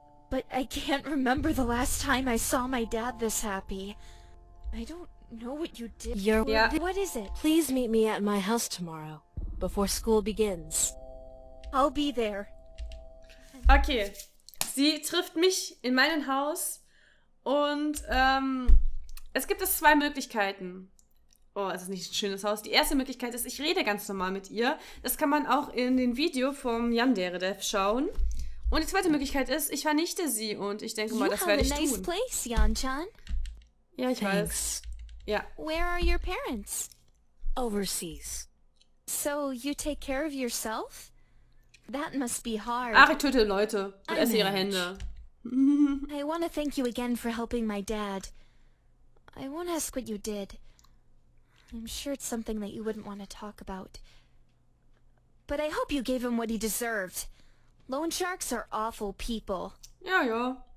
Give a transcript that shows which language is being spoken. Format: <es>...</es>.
<en>But I can't remember the last time I saw my dad this happy. I don't know what you did. You're... Yeah. What is it? Please meet me at my house tomorrow, before school begins. I'll be there. Okay.</en> <de>Sie trifft mich in meinem Haus und es gibt es zwei Möglichkeiten. Oh, es ist nicht ein schönes Haus. Die erste Möglichkeit ist, ich rede ganz normal mit ihr. Das kann man auch in den Video vom Yandere-Dev schauen. Und die zweite Möglichkeit ist, ich vernichte sie. Und ich denke mal, das werde ich tun.</de> <en>Nice place, Yan-chan.</en> <de>Ja, ich weiß. Ja.</de> <en>Where are your parents? Overseas. So you take care of yourself? That must be hard.</en> <de>Ach, ich töte Leute und esse ihre Hände.</de> <en>I want to thank you again for helping my dad. I won't ask what you did. I'm sure it's something that you wouldn't want to talk about. But I hope you gave him what he deserved. Loan sharks are awful people. Yeah, yeah.</en>